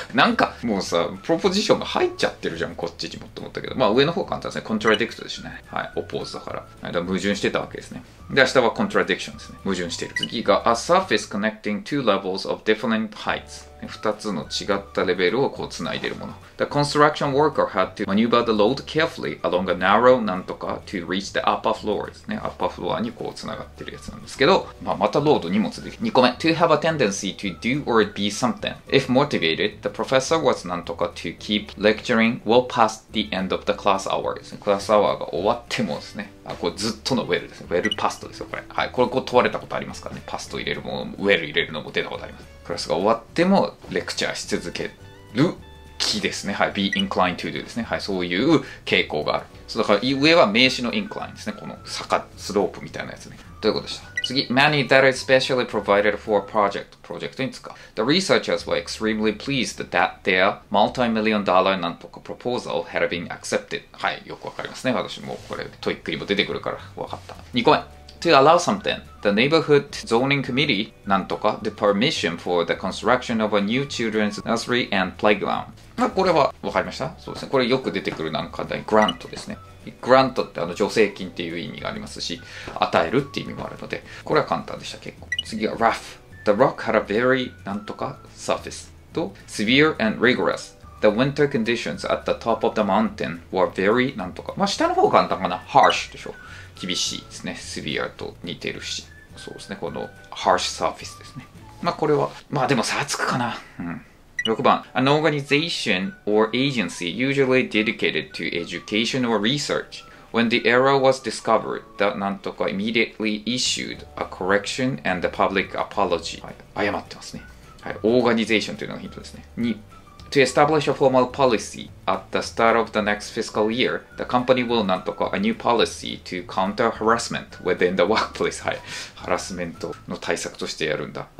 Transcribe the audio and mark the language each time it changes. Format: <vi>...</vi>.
<ja>なんか、もうさ、プロポジションが入っちゃってるじゃん、こっちにもって思ったけど。まあ、上の方が簡単ですね。コントラディクトですね。はい。オポーズだから。だから矛盾してたわけですね。で、明日はコントラディクションですね。矛盾してる。次が、</ja> <en>A surface connecting two levels of different heights。</en> <ja>二つの違ったレベルをこう繋いでるもの。</ja> <en>The construction worker had to maneuver the load carefully along a narrow</en> <ja>なんとか</ja> <en>to reach the upper floor</en> <ja>ですね。アッパーフロアにこう繋がってるやつなんですけど、まあ、またロード荷物で。二個目。</ja> <en>To have a tendency to do or be something. If motivated, the professor was</en> <ja>なんとか</ja> <en>to keep lecturing well past the end of the class hour</en> <ja>ですね。クラスアワーが終わってもですね。あ、これずっとのウェルですね。ウェルパストですよ、これ。はい。これこう問われたことありますからね。パスト入れるも、ウェル入れるのも出たことあります。クラスが終わってもレクチャーし続ける気ですね。はい。</ja> <en>be inclined to do</en> <ja>ですね。はい。そういう傾向がある。そうだから上は名詞の incline ですね。この坂、スロープみたいなやつね。ということでした。次、</ja> <en>money that is specially provided for a project.</en> <ja>プロジェクトに使う。</ja> <en>The researchers were extremely pleased that their multi-million dollar</en> <ja>なんとか</ja> <en>proposal had been accepted.</en> <ja>はい。よくわかりますね。私もこれ、トイックにも出てくるからわかった。 2個目。</ja> <en>To allow something, the neighborhood zoning committee,</en> <ja>なんとか,</ja> <en>the permission for the construction of a new children's nursery and playground.</en> <ja>まあ、これは分かりました。そうですね。これよく出てくるなんかだい、グラントですね。グラントってあの助成金っていう意味がありますし、与えるっていう意味もあるので、これは簡単でした、結構。次は</ja> <en>rough. The rock had a very,</en> <ja>なんとか,</ja> <en>surface. と、severe and rigorous. The winter conditions at the top of the mountain were very</en> <ja>なんとか。まあ、下の方が簡単かな。</ja> <en>harsh</en> <ja>でしょ。厳しいですね。 severe と似てるし。そうですね。この harsh surface ですね。まあ、これは、まあ、でも差はつくかな。うん。6番</ja> <en>An organization or agency usually dedicated to education or research. When the error was discovered, that</en> <ja>なんとか</ja> <en>immediately issued a correction and a public apology.</en> <ja>はい。謝ってますね。はい。organization というのがヒントですね。</ja> <en>2To establish a formal policy at the start of the next fiscal year, the company will</en> <ja>なんとか</ja> <en>a new policy to counter harassment within the workplace.</en> <ja>はい。ハラスメントの対策としてやるんだ。</ja>